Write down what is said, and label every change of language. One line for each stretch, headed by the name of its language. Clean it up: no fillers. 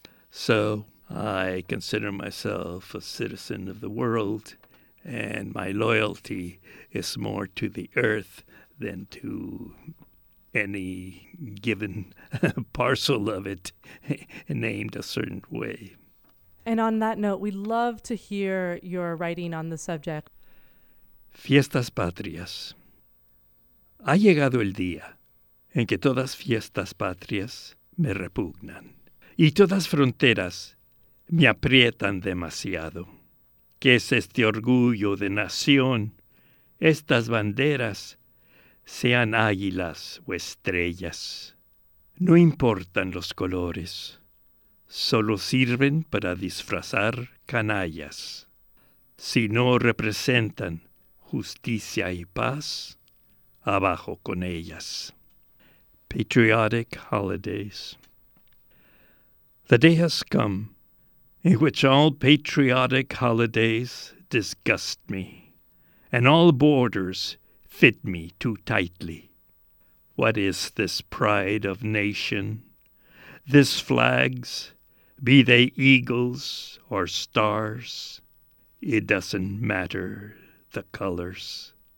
English: So I consider myself a citizen of the world, and my loyalty is more to the earth than to any given parcel of it named a certain way. And on that note, we'd love to hear your writing on the subject.
Spanish: Fiestas patrias. Ha llegado el día en que todas fiestas patrias me repugnan y todas fronteras me aprietan demasiado. ¿Qué es este orgullo de nación? Estas banderas, sean águilas o estrellas. No importan los colores, solo sirven para disfrazar canallas. Si no representan justicia y paz, abajo con ellas.
English: Patriotic holidays. The day has come in which all patriotic holidays disgust me, and all borders fit me too tightly. What is this pride of nation? This flags, be they eagles or stars, it doesn't matter the colors.